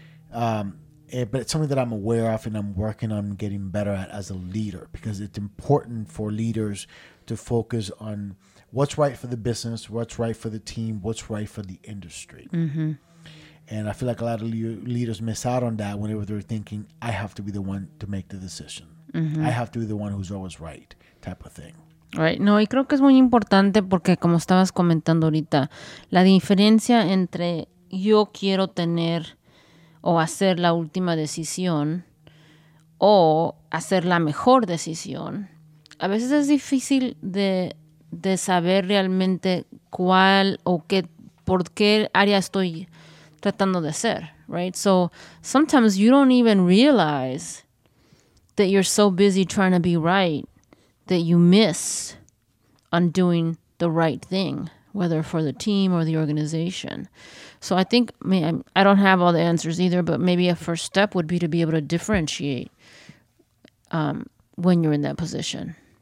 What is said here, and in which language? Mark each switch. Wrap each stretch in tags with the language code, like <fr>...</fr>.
<en>But it's something that I'm aware of and I'm working on getting better at as a leader, because it's important for leaders to focus on what's right for the business, what's right for the team, what's right for the industry. Mm-hmm. And I feel like a lot of leaders miss out on that whenever they're thinking, I have to be the one to make the decision. Mm-hmm. I have to be the one who's always right type of thing. Right.</en> <es>No, y creo que es muy importante porque como estabas comentando ahorita, la diferencia entre yo quiero tener o hacer la última decisión o hacer la mejor decisión, a veces es difícil de saber realmente cuál o qué, por qué área estoy tratando de ser, right?</es> <en>So sometimes you don't even realize that you're so busy trying to be right that you miss on doing the right thing, whether for the team or the organization. So I think, I don't have all the answers either, but maybe a first step would be to be able to differentiate when you're in that position.</en>